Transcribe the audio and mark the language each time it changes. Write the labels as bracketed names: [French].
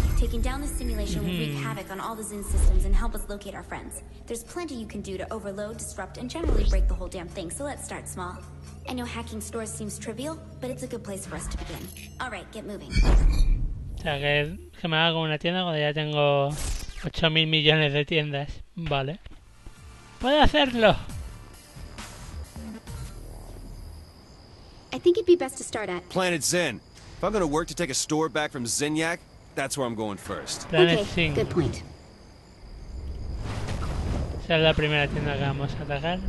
[English] Taking down the simulation will wreak havoc on all the Zin systems and help us locate our friends. There's plenty you can do to overload, disrupt, and generally break the whole damn thing, so let's start small. I know hacking stores seems trivial, but it's a good place for us to begin. Alright, get moving. [Spanish] O sea, que me haga una tienda cuando ya tengo 8.000 millones de tiendas. Vale. ¡Puedo hacerlo! [English] I think it'd be best to start at Planet Zin. If I'm gonna work to take a store back from Zinyak, that's where I'm going first. Planet Zin. Good point. [Spanish] Esa es la primera tienda que vamos a atacar.